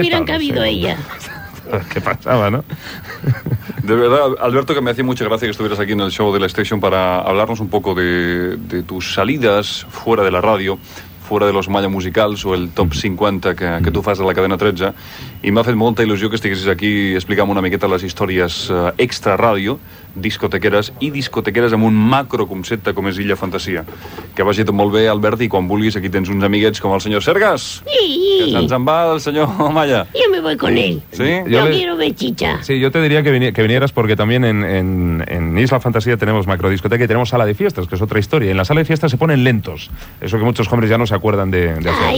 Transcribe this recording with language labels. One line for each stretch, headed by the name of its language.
Spanish: hubieran cabido ella. ¿Qué pasaba, no? De verdad, Alberto, que me hacía mucha gracia que estuvieras aquí en el show de la Station para hablarnos un poco de tus salidas fuera de la radio, fuera de los Malla Musicals o el Top 50
Catalan: que tu fas
Spanish: de la cadena 13.
Catalan: I m'ha fet molta il·lusió que estiguessis aquí explicant una miqueta les històries extra ràdio, discotequeres i discotequeres amb un macro concepte com és Illa Fantasia. Que vagi tot molt bé, Albert, i quan vulguis aquí tens uns amiguets com el senyor Sergas. Sí, que se'ns en va el senyor Malla.
Spanish: Yo me voy con él. Sí? Yo quiero ver chicha. Sí, yo te diría que vinieras porque también en Isla Fantasia tenemos macro discoteca y tenemos sala de fiestas, que es otra historia. En la sala de fiestas se ponen lentos. Eso que muchos hombres ya no se acuerdan de hacer.